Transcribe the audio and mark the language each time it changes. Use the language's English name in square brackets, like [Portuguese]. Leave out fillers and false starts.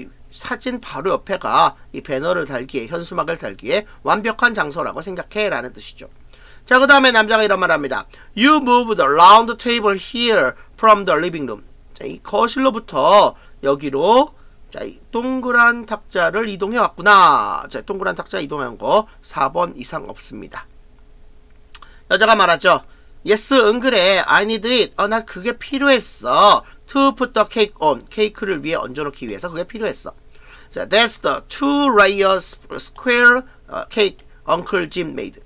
[Korean] 사진 바로 옆에가 이 배너를 달기에 현수막을 달기에 완벽한 장소라고 생각해라는 뜻이죠. 자, 그 다음에 남자가 이런 말합니다. [English] You move the round table here from the living room. [Korean] 자, 이 거실로부터 여기로 자, 이 동그란 탁자를 이동해 왔구나. 자, 동그란 탁자 이동한 거 4번 이상 없습니다. 여자가 말하죠. [English] Yes, [Korean] 응 그래. [English] I need it. [Korean] 나 그게 필요했어. [English] To put the cake on. [Korean] 케이크를 위에 얹어놓기 위해서 그게 필요했어. [English] 자, that's the two-layer square cake Uncle Jim made.